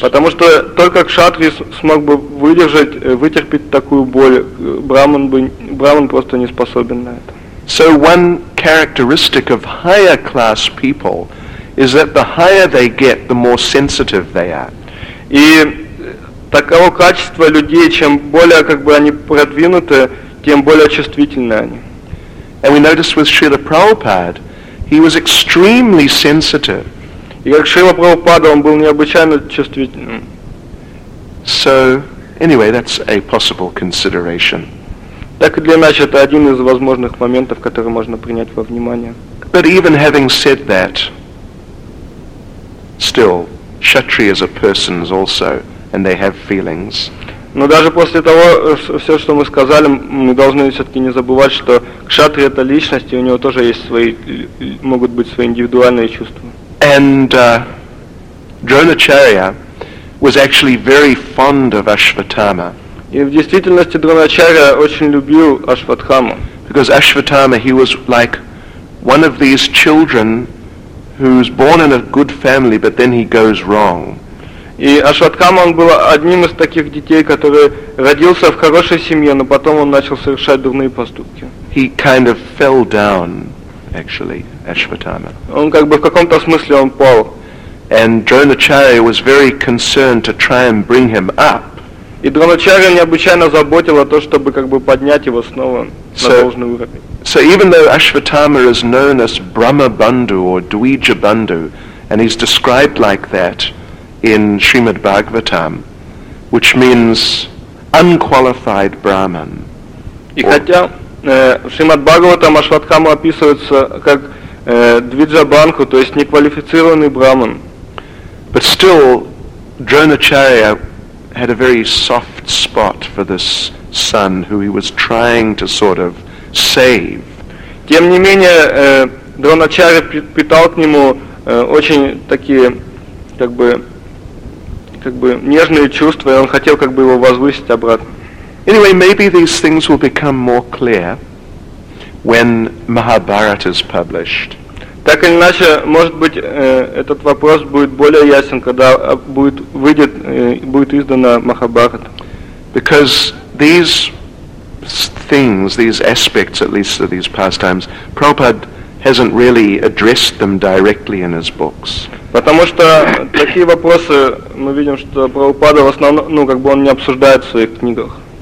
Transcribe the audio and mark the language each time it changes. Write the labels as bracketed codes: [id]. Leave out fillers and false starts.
[ru] Потому что только кшатрий смог бы вытерпеть такую боль. Браман просто не способен на это. [en] So one characteristic of higher class people is that the higher they get, the more sensitive they are. [ru] И таково качество людей, чем более как бы они продвинуты, тем более чувствительны они. [en] And we notice with Srila Prabhupada, he was extremely sensitive. [ru] И как Шрила Прабхупада, он был необычайно чувствительным. [en] So, anyway, that's a possible consideration. [ru] Так и для нас это один из возможных моментов, который можно принять во внимание. [en] But even having said that, still, kshatriyas are persons also, and they have feelings. [ru] Но даже после того, все, что мы сказали, мы должны все-таки не забывать, что кшатри это личность, и у него тоже есть свои, могут быть свои индивидуальные чувства. [en] And Dronacharya was actually very fond of Ashvatthama. [ru] И в действительности Дроначарья очень любил Ашватхаму. [en] Because Ashvatthama, he was like one of these children who's born in a good family, but then he goes wrong. [ru] И Ашватхама, он был одним из таких детей, который родился в хорошей семье, но потом он начал совершать дурные поступки. [en] He kind of fell down, actually, Ashvatthama. [ru] Он как бы в каком-то смысле он пал. [en] And Dronacharya was very concerned to try and bring him up. [ru] И Дроначарья необычайно заботил о том, чтобы как бы поднять его снова на должный уровень. [en] So even though Ashvatthama is known as Brahma Bandhu or Dwija Bandhu, and he's described like that in Srimad Bhagavatam, which means unqualified Brahman. [ru] И хотя в Шримад Бхагаватам Ашватхама описывается как Двиджа Банху, то есть неквалифицированный Брахман. [en] But still, Dronacharya had a very soft spot for this son who he was trying to sort of save. [ru] Тем не менее, Дроначарья питал к нему очень такие, как бы нежные чувства, и он хотел как бы его возвысить обратно. [en] Anyway, maybe these things will become more clear when Mahabharata is published. [ru] Так или иначе, может быть, этот вопрос будет более ясен, когда будет издана Махабхарата. [en] Because these things, these aspects, at least of these pastimes, Prabhupada hasn't really addressed them directly in his books. [ru] Потому что такие вопросы мы видим, что Прабхупада в основном, ну как бы он не обсуждает в своих книгах.